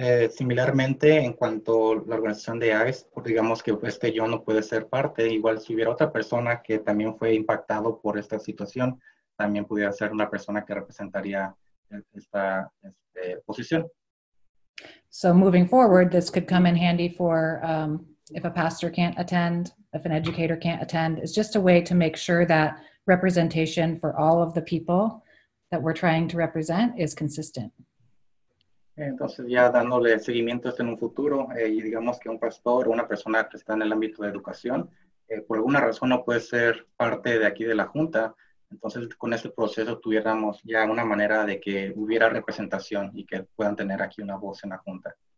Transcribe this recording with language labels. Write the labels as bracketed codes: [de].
[es] Similarmente, en cuanto a la organización de ICE, digamos que yo no puedo ser parte, igual si hubiera otra persona que también fue impactado por esta situación, también pudiera ser una persona que representaría esta posición. [en] So moving forward, this could come in handy for if a pastor can't attend, if an educator can't attend. It's just a way to make sure that representation for all of the people that we're trying to represent is consistent. [es] Entonces, ya dándole seguimiento en un futuro, y digamos que un pastor o una persona que está en el ámbito de educación, por alguna razón no puede ser parte de aquí de la Junta, entonces con ese proceso tuviéramos ya una manera de que hubiera representación y que puedan tener aquí una voz en la Junta.